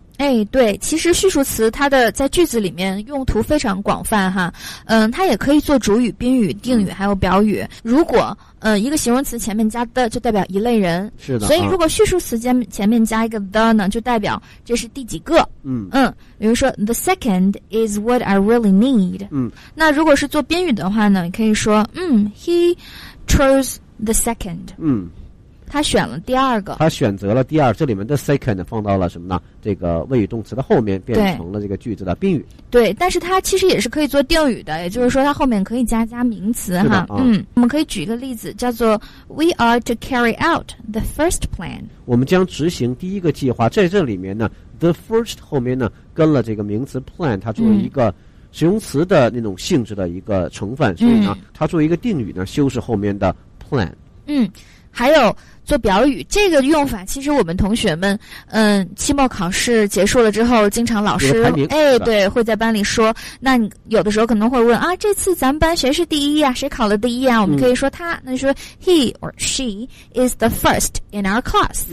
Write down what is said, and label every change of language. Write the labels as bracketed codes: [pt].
[zh] 哎，对，其实叙述词它的在句子里面用途非常广泛哈，它也可以做主语、宾语、定语，还有表语。如果一个形容词前面加的，就代表一类人。是的。所以如果叙述词前面加一个 the 呢，就代表这是第几个。比如说 [en] the second is what I really need。 [zh] 那如果是做宾语的话呢，可以说 [en] he chose the second。 [zh] 他选了第二个，他选择了第二，这里面的 second 放到了什么呢？这个谓语动词的后面，变成了这个句子的宾语。对，但是它其实也是可以做定语的，也就是说它后面可以加名词哈。我们可以举一个例子，叫做 [en] We are to carry out the first plan。 [zh] 我们将执行第一个计划，在这里面呢 ，the first 后面呢跟了这个名词 plan， 它作为一个形容词的那种性质的一个成分，所以呢，它作为一个定语呢，修饰后面的 plan。还有做表语，这个用法其实我们同学们期末考试结束了之后经常老师对会在班里说，那你有的时候可能会问啊，这次咱们班谁是第一啊，谁考了第一啊，我们可以说他，那就说 [en] he or she is the first in our class。